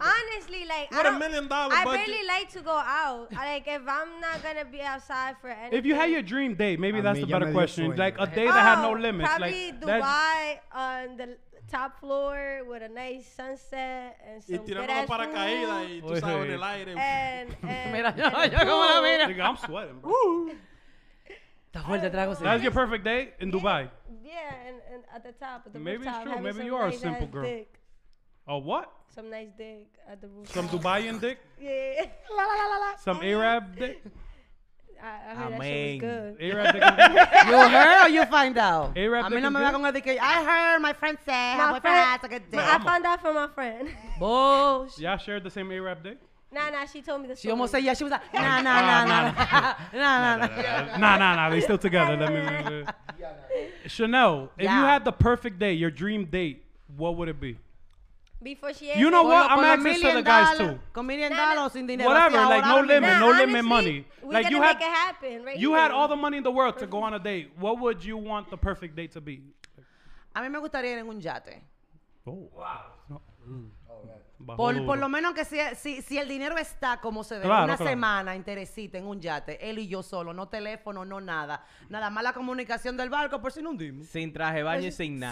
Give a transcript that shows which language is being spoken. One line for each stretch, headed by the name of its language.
English: que? Honestly, like, what $1 million budget? I really like to go out. Like, if I'm not going to be outside for anything. If you had your dream date, maybe that's a better question. Like, a day that had no limits. Probably like, Dubai on the top floor with a nice sunset and some good ass food.
Spanish: Y tirando paracaídas y tú sabes, en el aire.
English: And I'm sweating, bro. That's your perfect day in Dubai. Yeah, and at the top. At the maybe rooftop, it's true. Maybe you nice are a simple girl. Dick. A what? Some nice dick at the rooftop. Some Dubaian dick? Yeah. La, la, la, la. Some Arab dick? I mean. Arab dick. You heard or you find out? Arab dick. I mean, dick I'm not going to I heard my friend say, my boyfriend has a good dick. I found out from my friend. Bullshit. Y'all shared the same Arab dick? Nah, she told me the story. She almost said, yeah, she was like, nah, they still together. Let me remember. Chanel, if you had the perfect date, your dream date, what would it be? Before she you know what? I'm asking to the guys too.
Spanish: Con $1 million sin dinero.
English: Whatever, like no limit, no limit money. Like you make it happen. You had all the money in the world to go on a date. What would you want the perfect date to be?
Spanish: A mí me gustaría ir en un yate.
English: Oh, wow.
Spanish: Por lo menos que si el dinero está como se ve, claro, una semana interesita en un yate, él y yo solo, no teléfono, no nada. Nada más la comunicación del barco, por si no hundimos. Sin traje de baño y sin nada.